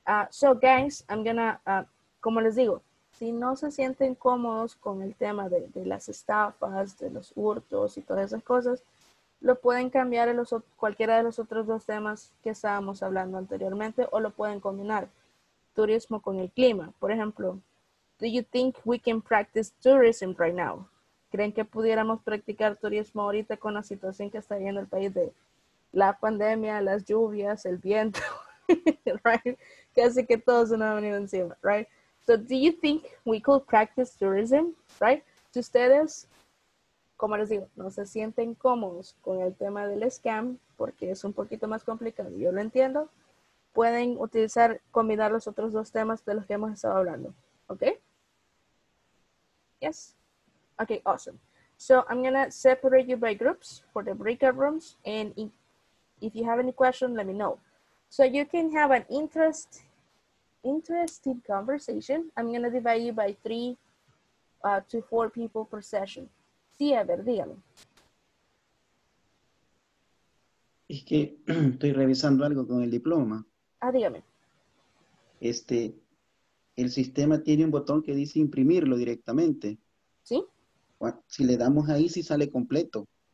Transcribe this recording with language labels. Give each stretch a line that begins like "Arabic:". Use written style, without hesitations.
English: So, guys, I'm gonna,
Spanish: como les digo, si no se sienten cómodos con el tema de las estafas, de los hurtos y todas esas cosas, lo pueden cambiar en cualquiera de los otros dos temas que estábamos hablando anteriormente o lo pueden combinar, turismo con el clima, por ejemplo.
English: Do you think we can practice tourism right now?
Spanish: ¿Creen que pudiéramos practicar turismo ahorita con la situación que está viviendo el país de la pandemia, las lluvias, el viento, right? Casi que todo se nos ha venido encima, right?
English: So, do you think we could practice tourism, right?
Spanish: Si ustedes, como les digo, no se sienten cómodos con el tema del scam, porque es un poquito más complicado, yo lo entiendo, pueden utilizar, combinar los otros dos temas de los que hemos estado hablando, ¿ok?
English: Yes? Okay, awesome. So, I'm going to separate you by groups for the breakout rooms, and if you have any questions, let me know. So, you can have an interesting conversation. I'm going to divide you by 3 to 4 people per session.
Spanish: Sí, a ver, dígame. Es que estoy revisando algo con el diploma. Ah, dígame. El sistema tiene un botón que dice imprimirlo directamente. Sí. Si le damos ahí, sí sale completo.